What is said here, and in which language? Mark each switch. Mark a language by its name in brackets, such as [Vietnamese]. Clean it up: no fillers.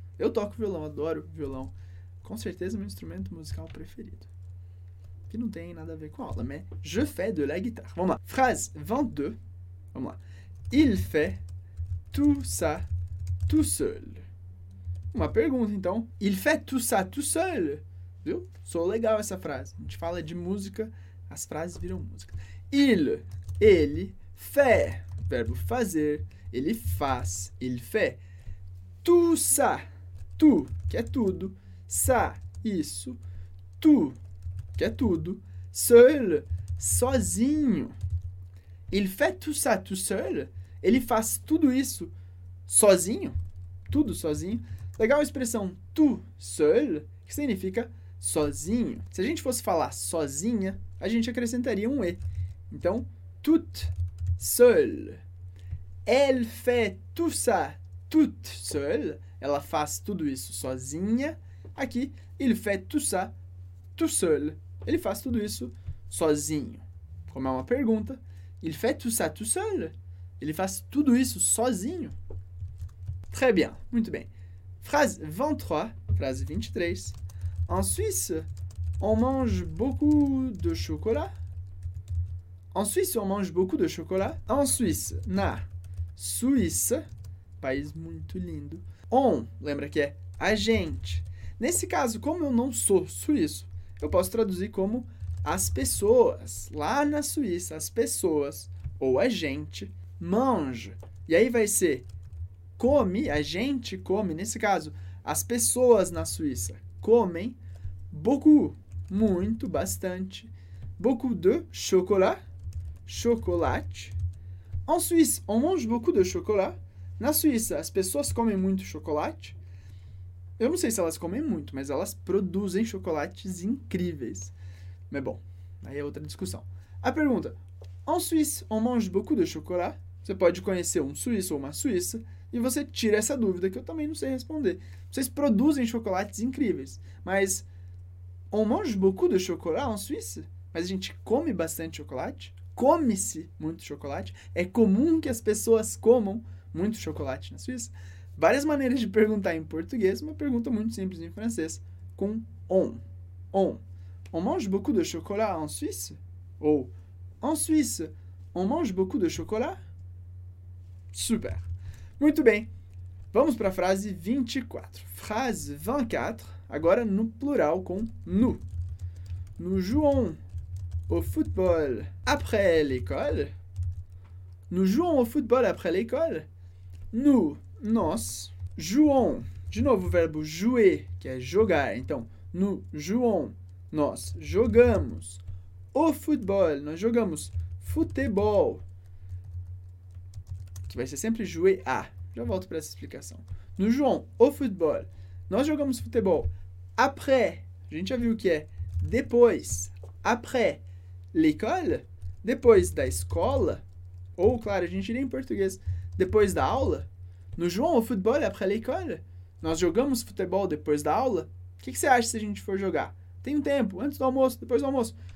[Portuguese] Eu toco violão, adoro violão. Com certeza, meu instrumento musical preferido. Que não tem nada a ver com aula, mas [French] je fais de la guitare. [Portuguese] Vamos lá. Phrase 22. Vamos lá. [French] Il fait tout ça tout seul. [Portuguese] Uma pergunta, então. [French] Il fait tout ça tout seul. [Portuguese] Viu? Sou legal essa frase. A gente fala de música, as frases viram música. Ele fait. Verbo fazer. Ele faz. [French] Il fait. Tout ça. [Portuguese] Tu, que é tudo. Ça, isso. Tu, que é tudo. Seul, sozinho. Ele faz tudo isso tout seul? Ele faz tudo isso sozinho? Tudo sozinho? Legal a expressão tout seul, que significa sozinho. Se a gente fosse falar sozinha, a gente acrescentaria um E. Então, tout seul. [French] Elle fait tout ça toute seule. [Portuguese] Ela faz tudo isso sozinha. Aqui, [French] il fait tout ça tout seul. [Portuguese] Ele faz tudo isso sozinho. Como é uma pergunta, [French] il fait tout ça tout seul. [Portuguese] Ele faz tudo isso sozinho. [French] Très bien, [Portuguese] muito bem. Phrase 23, frase 23. [French] En Suisse, on mange beaucoup de chocolat. En Suisse, on mange beaucoup de chocolat. En Suisse, [Portuguese] na Suíça, país muito lindo. On, lembra que é a gente. Nesse caso, como eu não sou suíço, eu posso traduzir como as pessoas. Lá na Suíça, as pessoas, ou a gente, mange. E aí vai ser come, a gente come. Nesse caso, as pessoas na Suíça comem beaucoup, muito, bastante. [French] Beaucoup de chocolat, chocolate. En Suisse, on mange beaucoup de chocolat. [Portuguese] Na Suíça, as pessoas comem muito chocolate. Eu não sei se elas comem muito, mas elas produzem chocolates incríveis. Mas bom, aí é outra discussão. A pergunta, [French] en Suisse, on mange beaucoup de chocolat? [Portuguese] Você pode conhecer um suíço ou uma suíça e você tira essa dúvida que eu também não sei responder. Vocês produzem chocolates incríveis, mas [French] on mange beaucoup de chocolat en Suisse? [Portuguese] Mas a gente come bastante chocolate? Come-se muito chocolate? É comum que as pessoas comam muito chocolate na Suíça? Várias maneiras de perguntar em português, uma pergunta muito simples em francês, com on. [French] On. On mange beaucoup de chocolat en Suisse? Ou, en Suisse, on mange beaucoup de chocolat? [Portuguese] Super. Muito bem. Vamos para a frase 24. Frase 24, agora no plural com nous. [French] Nous jouons au football après l'école. Nous jouons au football après l'école. [Portuguese] Nous, nós, jouons, de novo o verbo jouer, que é jogar, então, [French] nous jouons, [Portuguese] nós jogamos, au football, nós jogamos futebol, que vai ser sempre jouer a, já volto para essa explicação. [French] Nous jouons au football, [Portuguese] nós jogamos futebol, après, a gente já viu o que é, depois, [French] après l'école, [Portuguese] depois da escola, ou, claro, a gente diria em português, depois da aula. [French] Nous jouons au football après l'école? [Portuguese] Nós jogamos futebol depois da aula? O que você acha se a gente for jogar? Tem um tempo, antes do almoço, depois do almoço.